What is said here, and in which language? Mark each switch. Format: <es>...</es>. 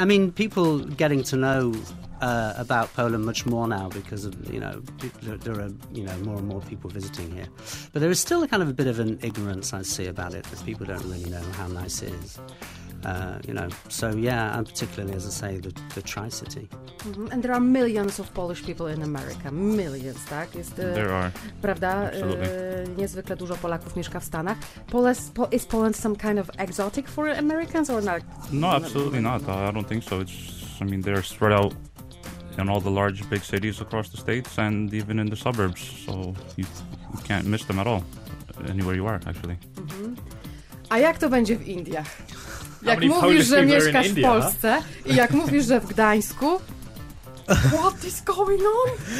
<en>I mean, people getting to know about Poland much more now because of, you know, there are, you know, more and more people visiting here. But there is still a kind of a bit of an ignorance I see about it, that people don't really know how nice it is. You know, so yeah, and particularly, as I say, the Tri-City. Mm-hmm. And there are millions of Polish people in America. Millions,</en> <pl>tak?</pl> <en>There are.</en> <pl>Prawda? Niezwykle dużo Polaków mieszka w Stanach.</pl> <en>Is Poland some kind of exotic for Americans or not? No, absolutely not. I don't think so. I mean, they're spread out in all the large, big cities across the states and even in the suburbs. So you can't miss them at all, anywhere you are, actually.</en> <pl>Mm-hmm. A jak to będzie w Indiach? Jak mówisz, że mieszkasz w Polsce, i jak mówisz, że w Gdańsku,</pl> <en>what is going on?</en>